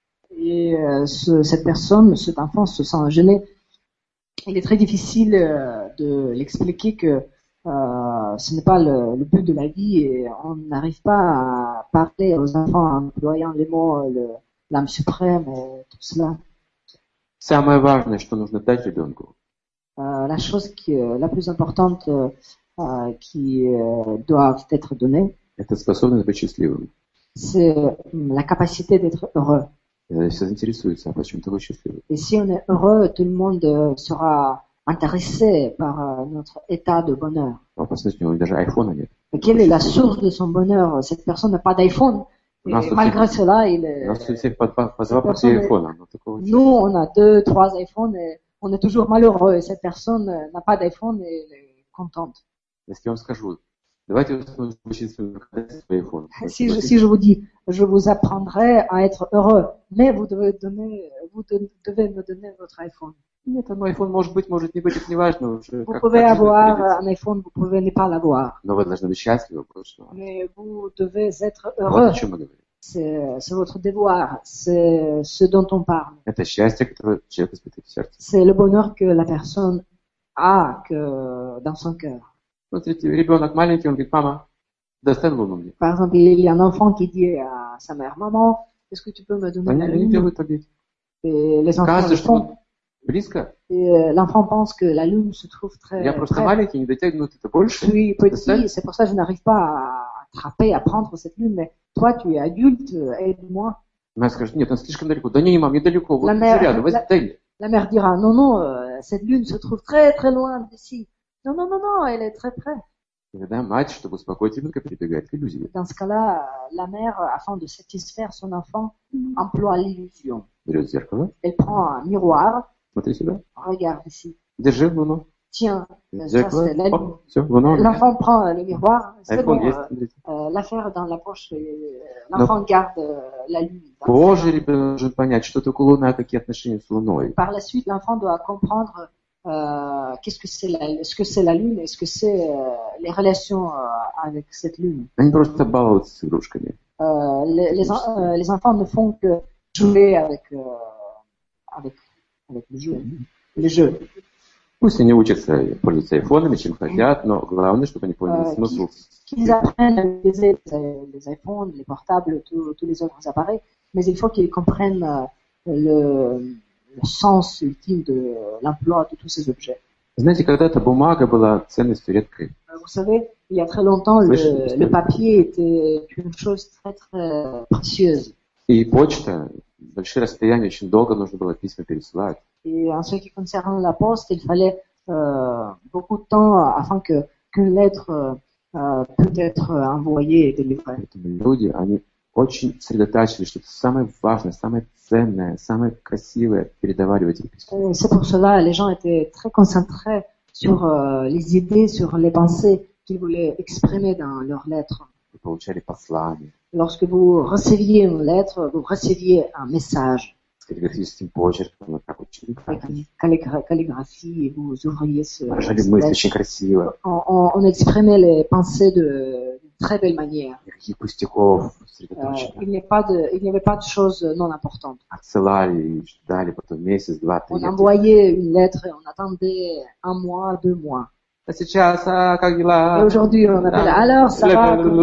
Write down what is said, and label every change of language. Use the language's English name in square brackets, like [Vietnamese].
[French] Et cet enfant se sent gêné. Il est très difficile de l'expliquer que ce n'est pas le but de la vie et on n'arrive pas à parler aux enfants en employant les mots l'âme suprême et tout cela. C'est le plus important, [Russian] что нужно дать ребенку. [French] La chose la plus importante qui doit être donnée, [Russian] это способность быть счастливым. [French] C'est la capacité d'être heureux. [Russian] Все заинтересуются, а почему ты счастливый? [French] Et si on est heureux, tout le monde sera intéressé par notre état de bonheur. [Russian] Посмотрите, у него даже iPhone нет. [French] Mais quelle est la source de son bonheur? Cette personne n'a pas d'iPhone. Malgré cela, il est. Nous, on a 2-3 iPhones et on est toujours malheureux. Cette personne n'a pas d'iPhone et elle est contente. Est-ce que je vous [Russian] Давайте установим божественное качество своей формы. [French] Si je vous dis, je vous apprendrai à être heureux, mais vous devez me donner votre iPhone. [Russian] Нет, ну iPhone может быть, может не быть, это не важно уже. [French] Vous pouvez avoir un iPhone, vous pouvez ne pas l'avoir. [Russian] Но вы должны быть счастливы просто. [French] Mais vous devez être heureux. [Russian] Вот о чем мы говорим. [French] C'est votre devoir, c'est ce dont on parle. [Russian] Это счастье, которое человек испытывает в сердце. [French] C'est le bonheur que la personne a dans son cœur. [Russian] Смотрите, ребенок маленький, он говорит, мама, достань луну мне. [French] Par exemple, il y a un enfant qui dit à sa mère, maman, est-ce que tu peux me donner la lune? [Russian] Они делают так. Кажется, что близко. [French] Et l'enfant pense que la lune se trouve très près. [Russian] Я просто маленький, не дотягивает, это больше. [French] Je suis petit, c'est pour ça que je n'arrive pas à attraper, à prendre cette lune, mais toi, tu es adulte, aide-moi. [Russian] Мама скажет, нет, он слишком далеко. Да не, мам, недалеко, вот ты рядом, возьми, дай мне. [French] La mère dira, non, cette lune se trouve très, très loin d'ici. Non, elle est très près. [Russian] Иногда мать, чтобы успокоить ребенка, прибегает к иллюзии. [French] Dans ce cas-là, la mère, afin de satisfaire son enfant, emploie l'illusion. [Russian] Берет зеркало. [French] Elle prend un miroir. [Russian] Смотри сюда. [French] Regarde ici. [Russian] Держи луну. [French] Tiens, [Russian] зеркало. [French] Ça c'est [Russian] луна. [French] L'enfant prend le miroir. C'est iPhone bon. [Russian] Есть. [French] L'affaire dans la poche. L'enfant garde la lune. [Russian] Позже ребенок должен понять, что такое луна, какие отношения с луной. [French] Par la suite, l'enfant doit comprendre qu'est-ce que c'est la, est-ce que c'est la lune, est-ce que c'est les relations avec cette lune. [Russian] Они просто балуются с игрушками. [French] Les enfants ne font que jouer avec le jeu. Les jeux. [Russian] Пусть они учатся пользоваться айфонами, чем хотят, но главное, чтобы они поняли смысл. [French] Qu'ils apprennent à utiliser les iPhones, les portables, tous les autres appareils, mais il faut qu'ils comprennent le sens ultime de l'emploi de tous ces objets. [Russian] Знаете, когда-то бумага была ценностью редкой. [French] Vous savez, il y a très longtemps, le papier était une chose très, très précieuse. [Russian] И почта, большие расстояния, очень долго нужно было письма пересылать. [French] Et en ce qui concerne la poste, il fallait beaucoup de temps afin qu'une lettre peut être envoyée et délivrée. [Russian] Люди, они очень сосредотачивали, что это самое важное, самое ценное, самое красивое передавали в этих письмах. [French] C'est pour cela les gens étaient très concentrés sur les idées, sur les pensées qu'ils voulaient exprimer dans leurs lettres. [Russian] Вы получали послание. [French] Lorsque vous receviez une lettre, vous receviez un message. [Russian] Каллиграфическим почерком, вот так вот каллиграфии, [French] vous ouvriez ce. [Russian] Жали мысли очень красиво. [French] On exprimait les pensées de très belle manière. [Russian] Никаких пустяков, сосредоточено. [French] Il n'y avait pas de choses non importantes. [Russian] Отсылали, ждали потом месяц, два, три. [French] On envoyait une lettre et on attendait un mois, deux mois. [Russian] А сейчас, а как дела? [French] Et aujourd'hui, on appelle, alors ça va?